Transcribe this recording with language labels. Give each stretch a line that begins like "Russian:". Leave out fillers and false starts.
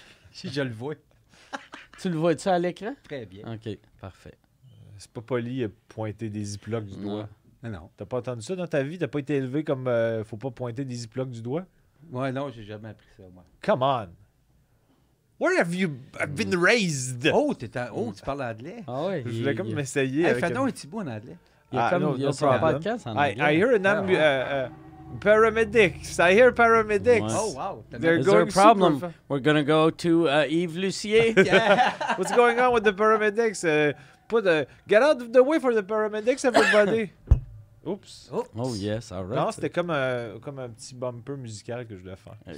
French: Si je le vois. Tu le vois-tu à l'écran? Très bien. OK, parfait. C'est pas poli de pointer des ziplocs du doigt. Non. T'as pas entendu ça dans ta vie? T'as pas été élevé comme faut pas pointer des ziplocs du doigt? Ouais, non, j'ai jamais appris ça, moi.
English: Come on! Where have you been raised?
French: Tu parles anglais? Ah oui. Je voulais comme m'essayer. Fais-donc un petit bout en anglais. Il y a un podcast en anglais.
English: I hear an ambulance. Paramedics. I hear paramedics. Oh, wow. Is there a problem? We're going to go to Yves Lucier. What's going on with the paramedics? Get out of the way for the paramedics, everybody.
French: Oups.
English: Oh, yes, all right.
French: Non, c'était comme un petit bumper musical que je voulais faire.